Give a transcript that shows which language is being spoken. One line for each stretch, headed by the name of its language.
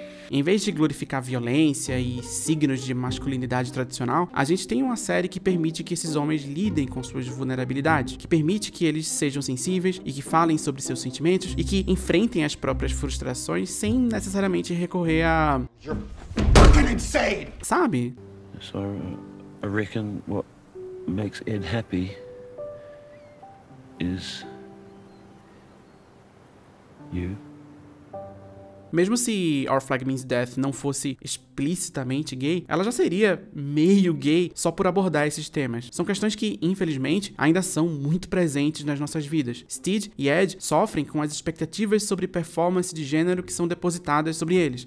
Portuguese: Em vez de glorificar violência e signos de masculinidade tradicional, a gente tem uma série que permite que esses homens lidem com suas vulnerabilidades, que permite que eles sejam sensíveis e que falem sobre seus sentimentos e que enfrentem as próprias frustrações sem necessariamente recorrer a...
English: You're fucking insane! Sabe? So, I reckon what makes Ed happy is you.
Portuguese: Mesmo se Our Flag Means Death não fosse explicitamente gay, ela já seria meio gay só por abordar esses temas. São questões que, infelizmente, ainda são muito presentes nas nossas vidas. Steed e Ed sofrem com as expectativas sobre performance de gênero que são depositadas sobre eles.